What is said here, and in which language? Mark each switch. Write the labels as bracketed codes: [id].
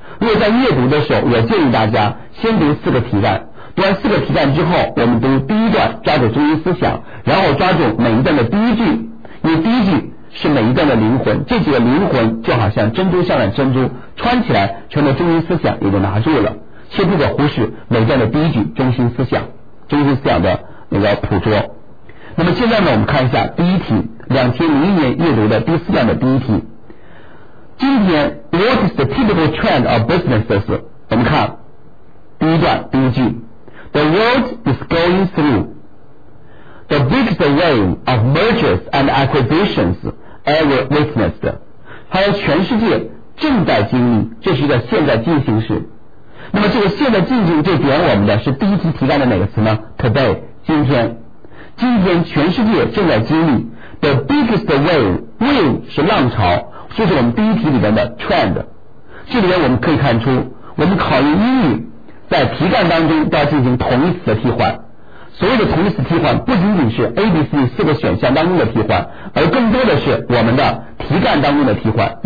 [zh] 如果在阅读的时候，我建议大家先读四个题干，读完四个题干之后，我们读第一段抓住中心思想，然后抓住每一段的第一句，因为第一句是每一段的灵魂，这几个灵魂就好像珍珠项链，珍珠穿起来成了中心思想，也就拿住了，切不可忽视每一段的第一句中心思想，中心思想的那个捕捉。那么现在呢，我们看一下第一题，2001年阅读的第四段的第一题。今天 [en] What is the typical trend of businesses？ [zh] 我们看第一段第一句 [en] The world is going through the biggest wave of mergers and acquisitions ever witnessed， [zh] 它的全世界正在经历，这是一个现在进行式。那么这个现在进行就点我们的是第一题提到的哪个词呢？ Today， 今天。今天全世界正在经历 [en] The biggest wave [zh] 是浪潮，就是我们第一题里面的 trend。这里面我们可以看出，我们考虑英语在题干当中都要进行同义词的替换，所谓的同义词替换不仅仅是 ABC 四个选项当中的替换，而更多的是我们的题干当中的替换。